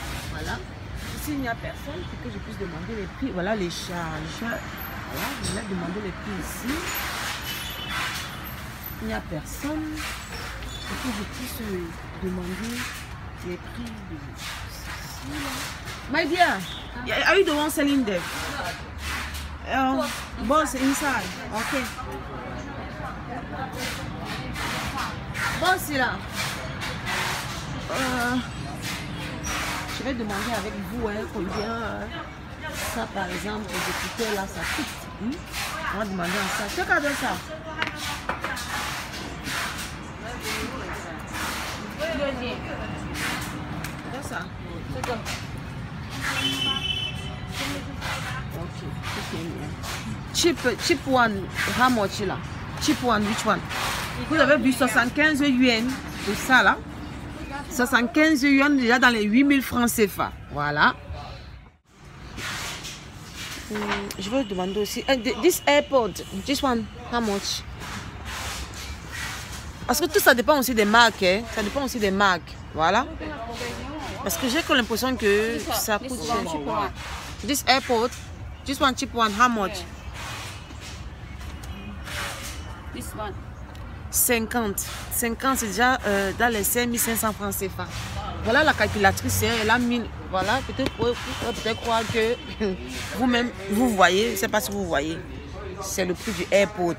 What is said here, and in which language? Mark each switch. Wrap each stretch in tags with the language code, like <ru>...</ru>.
<fr>Voilà, s'il n'y a personne, c'est que je puisse demander les prix. Voilà les charges. Voilà, je vais demander les prix ici. Il n'y a personne pour que je puisse demander les prix de ceci là.</fr> <en>My dear, are you the one selling there? Boss inside. Ok.</en> <fr>Boss là. Je vais demander avec vous hein, combien ça par exemple, les écouteurs là, ça coûte. On va demander à ça.</fr> <en>Check out</en> <fr>ça.</fr> <en>Cheap one, how much là? Cheap one, which one?</en> <fr>Vous avez vu 75 yuan de ça là? 75 yuan déjà dans les 8000 francs CFA. Voilà. Je vais demander aussi.</fr> <en>This AirPod, this one, how much?</en> <fr>Parce que tout ça dépend aussi des marques. Hein? Ça dépend aussi des marques. Voilà. Parce que j'ai l'impression que ça coûte cher.</fr> <en>This AirPod, this one, cheap one, how much? This one.</en> <fr>50, c'est déjà dans les 5500 francs CFA. Voilà la calculatrice, hein, elle a 1000. Voilà, peut-être croire que vous-même, vous voyez, je ne sais pas si vous voyez, c'est le prix du AirPod.</fr>